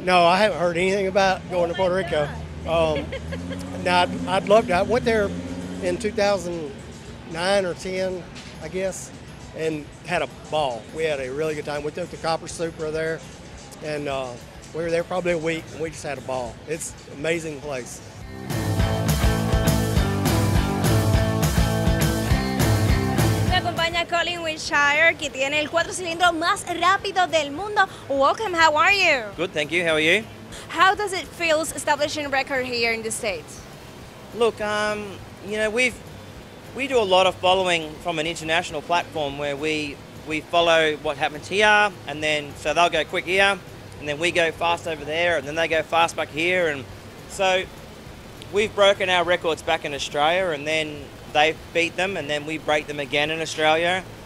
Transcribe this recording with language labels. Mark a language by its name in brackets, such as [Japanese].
[English] No, I haven't heard anything about going to Puerto Rico. Now I'd love to. I went there in 2009 or 2010, I guess, and had a ball. We had a really good time. We took the Copper Supra there, and we were there probably a week, and we just had a ball. It's an amazing place. [Spanish] Me acompaña Colin Wiltshire, que tiene el cuatro cilindro más rápido del mundo. [English] Welcome, how are you? Good, thank you, how are you? How does it feel establishing a record here in the States? Look, you know, we do a lot of following from an international platform where we follow what happens here, and then so they'll go quick here, and then we go fast over there, and then they go fast back here, and so we've broken our records back in Australia, and then they beat them, and then we break them again in Australia.